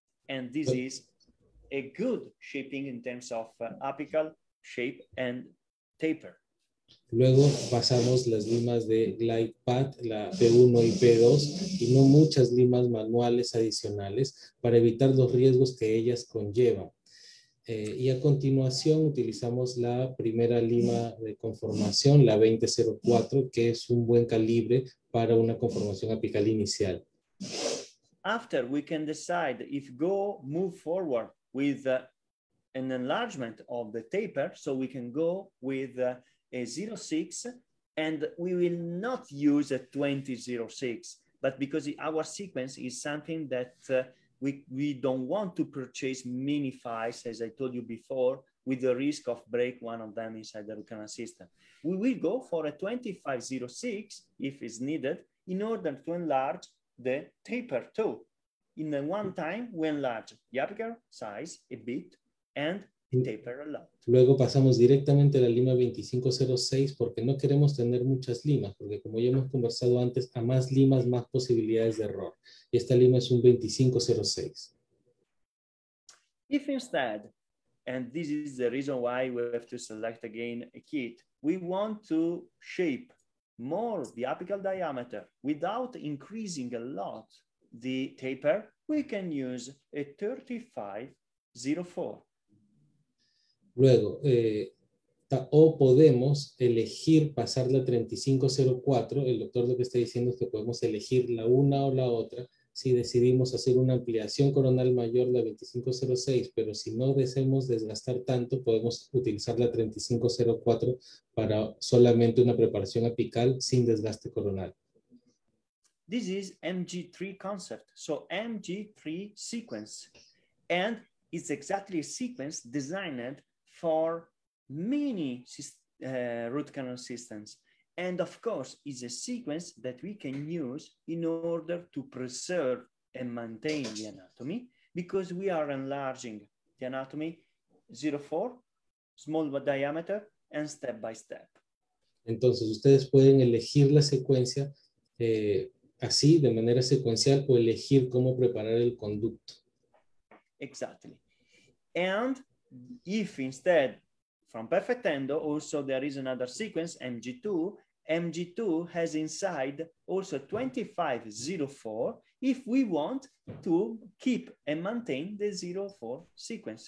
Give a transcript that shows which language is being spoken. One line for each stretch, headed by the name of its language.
English: And this is a good shaping in terms of apical shape and taper.
Spanish: Luego pasamos las limas de glide path, la P1 y P2, y no muchas limas manuales adicionales para evitar los riesgos que ellas conllevan. Y a continuación utilizamos la primera lima de conformación, la 2004, que es un buen calibre para una conformación apical inicial.
English: After we can decide if go move forward with an enlargement of the taper, so we can go with a 06, and we will not use a 2006, but because our sequence is something that we don't want to purchase mini files, as I told you before, with the risk of break one of them inside the Rucana system. We will go for a 2506 if it's needed in order to enlarge the taper too. In the one time, we enlarge the apical size a bit and taper a lot.
Spanish: Luego pasamos directamente a la lima 2506 porque no queremos tener muchas limas, porque como ya hemos conversado antes, a más limas, más posibilidades de error. Y esta lima es un 2506.
English: If instead, and this is the reason why we have to select again a kit, we want to shape more the apical diameter without increasing a lot the taper, we can use a 3504.
Spanish: Luego, o podemos elegir pasar la 3504, el doctor lo que está diciendo es que podemos elegir la una o la otra, si decidimos hacer una ampliación coronal mayor, la 2506, pero si no deseamos desgastar tanto, podemos utilizar la 3504 para solamente una preparación apical sin desgaste coronal.
English: This is MG3 concept, so MG3 sequence, and it's exactly a sequence designed for many root canal systems. And of course, it's a sequence that we can use in order to preserve and maintain the anatomy because we are enlarging the anatomy 0.4, small diameter, and step by step.
Spanish: Entonces, ustedes pueden elegir la secuencia así, de manera secuencial, o elegir cómo preparar el conducto.
English: Exactly. And if instead, from perfect endo, also there is another sequence, MG2, MG2 has inside also 2504 if we want to keep and maintain the 0.4 sequence.